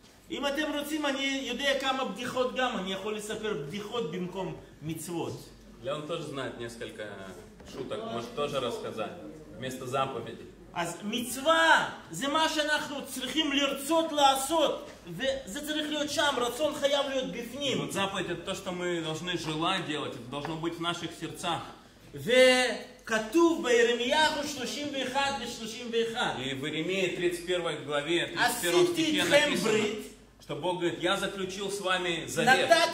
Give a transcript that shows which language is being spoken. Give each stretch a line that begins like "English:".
Hebrew: אם אתם רוצים, אני יודע כמה בדיחות גם, אני יכול לספר בדיחות במקום מצוות.
Russian: Леон тоже знает несколько шуток, может тоже рассказать, вместо заповеди.
Hebrew: אז מצווה זה מה שאנחנו צריכים לרצות לעשות, וזה צריך להיות שם, רצון חייב להיות בפנים.
Russian: Вот заповедь это то, что мы должны желать делать, это должно быть в наших сердцах.
Hebrew: וכתוב בירמיהו 31-31.
Russian: И в Иеремии 31 главе, 31 стихе написано, то Бог говорит, я заключил с вами завет.